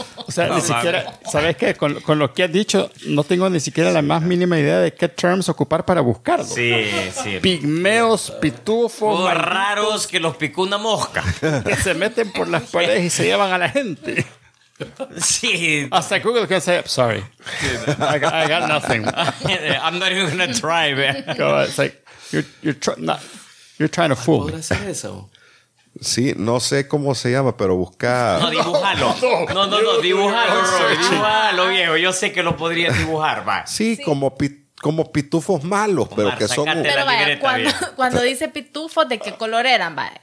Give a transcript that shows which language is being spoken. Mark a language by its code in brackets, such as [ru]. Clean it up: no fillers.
[es] O sea, no, ni siquiera, ¿sabes qué? Con lo que has dicho, no tengo ni siquiera la más mínima idea de qué terms ocupar para buscarlo. Sí, sí. Pigmeos, pitufos. Los raros que los picó una mosca. Que se meten por las paredes y se llevan a la gente. Sí. [en] Hasta Google can say, sorry. I got nothing. I'm not even gonna try, man. It's like, you're trying to fool me. [es] ¿Cómo hacer eso? Sí, no sé cómo se llama, pero busca... No, dibujalo. Dibujalo, Roy. Dibujalo, viejo. Yo sé que lo podrías dibujar, va. Sí, como pitufos malos, Omar, pero que son... Pero vaya, cuando dice pitufos, ¿de qué color eran, va?